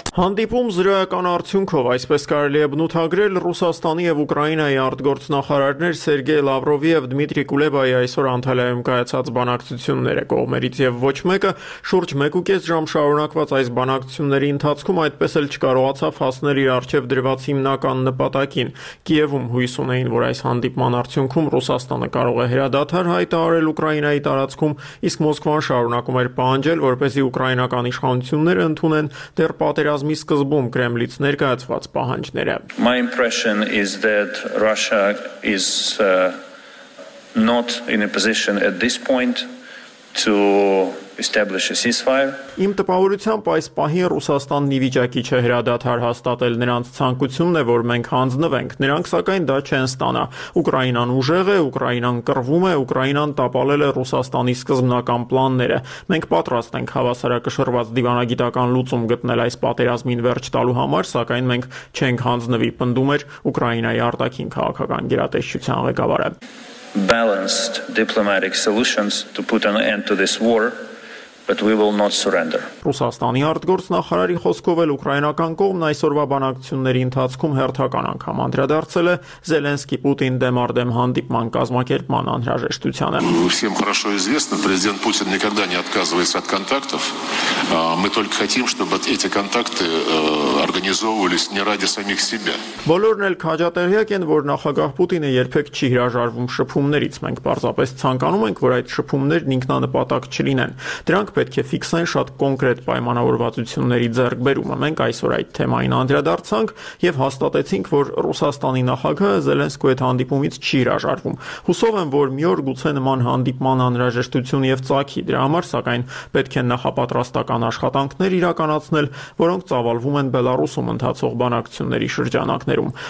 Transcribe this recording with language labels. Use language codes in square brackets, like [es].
[hy] Հանդիպում զրոյական արդյունքով, այսպես կարելի է բնութագրել, Ռուսաստանի եւ Ուկրաինայի արտգործնախարարներ Սերգեյ Լավրովի եւ Դմիտրի Կուլեբայի այսօր Անտալիայում կայացած բանակցությունները կողմերից եւ ոչ մեկը շուրջ 1.5 ժամ շարունակված այս բանակցությունների ընթացքում այդպես էլ չկարողացավ հասնել իր առջև դրված հիմնական նպատակին։ Կիևում հույս ունեին, որ այս հանդիպման արդյունքում Ռուսաստանը կարող է հրադադար հայտարարել Ուկրաինայի տարածքում, իսկ Մոսկվան շարունակում էր պահանջել, որպեսզի ուկրաինական իշխանությունները ընդունեն դեռ պատերազմի սկզբում Կրեմլից ներկայացված պահանջները։ [en] My impression is that Russia is not in a position at this point to establish a ceasefire. [hy] Իմ տպավորությամբ այս պահին Ռուսաստանն ի վիճակի չէ հրադադար հաստատել նրանց ցանկությունն է, որ մենք հանձնվենք։ Նրանք սակայն դա չեն ստանա։ Ուկրաինան ուժեղ է, Ուկրաինան կռվում է, Ուկրաինան տապալել է Ռուսաստանի սկզբնական պլանները։ Մենք պատրաստ ենք հավասարակշռված դիվանագիտական լուծում գտնել այս պատերազմին վերջ տալու համար, սակայն մենք չենք հանձնվի, պնդում էր Ուկրաինայի արտաքին քաղաքական գերատեսչության ղեկավարը։ [en] Balanced diplomatic solutions to put an end to this war but we will not surrender. [hy] Ռուսաստանի արտգործնախարարի խոսքով էլ ուկրաինական կողմն այսօրվա բանակցությունների ընթացքում հերթական անգամ անդրադարձել է Զելենսկի Պուտին դեմարդեմ հանդիպման կազմակերպման անհրաժեշտությանը. [ru] Всем хорошо известно, президент Путин никогда не отказывается от контактов. Мы только хотим, чтобы эти контакты организовывались не ради самих себя. [hy] Բոլորն էլ քաջատեղյակ են, որ նախագահ Պուտինը երբեք չի հրաժարվում շփումներից, մենք պարզապես ցանկանում ենք, որ այդ շփումներն ինքնանպատակ չլինեն։ Դրանք պետք է ֆիքսեն շատ կոնկրետ պայմանավորվածությունների ձեռքբերումը։ Մենք այսօր այդ թեմային անդրադարձանք եւ հաստատեցինք, որ Ռուսաստանի նախագահը Զելենսկու հետ հանդիպումից չի հրաժարվում։ Հուսով եմ, որ մի օր գուցե նման հանդիպման անհրաժեշտություն եւ ծագի, դրա համար սակայն պետք է նախապատրաստական աշխատանքներ իրականացնել, որոնք ծավալվում են Բելարուսում ընթացող բանակցությունների շրջանակներում։